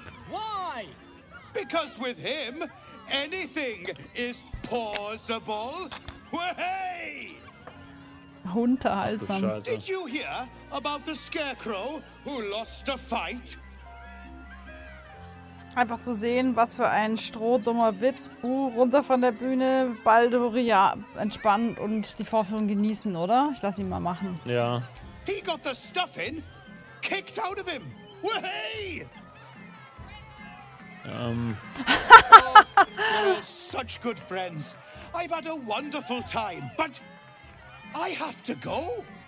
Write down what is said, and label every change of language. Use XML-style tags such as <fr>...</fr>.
<en>Why? Because with him, anything is possible. Hey!</en> <de>Unterhaltsam.</de> <en>Did you hear about the scarecrow who lost a fight?</en> <de>Einfach zu sehen, was für ein strohdummer Witz. Runter von der Bühne, Baldoria, ja, entspannt und die Vorführung genießen, oder? Ich lass ihn mal machen. Ja.</de> <en>He got the stuff in, kicked out of him. Wahey! You're all such good friends. I've had a wonderful time, but I have to go.</en>